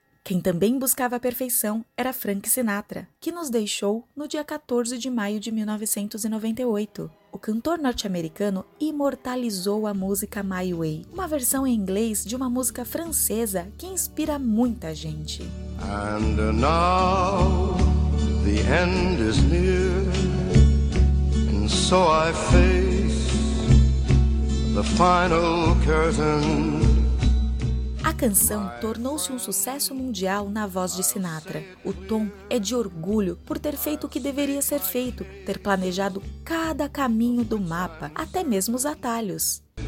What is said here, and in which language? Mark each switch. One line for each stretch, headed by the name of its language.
Portuguese: Quem também buscava a perfeição era Frank Sinatra, que nos deixou no dia 14 de maio de 1998. O cantor norte-americano imortalizou a música My Way, uma versão em inglês de uma música francesa que inspira muita gente.
English: And now the end is near, and so I face the final curtain.
Portuguese: A canção tornou-se um sucesso mundial na voz de Sinatra. O tom é de orgulho por ter feito o que deveria ser feito, ter planejado cada caminho do mapa, até mesmo os atalhos.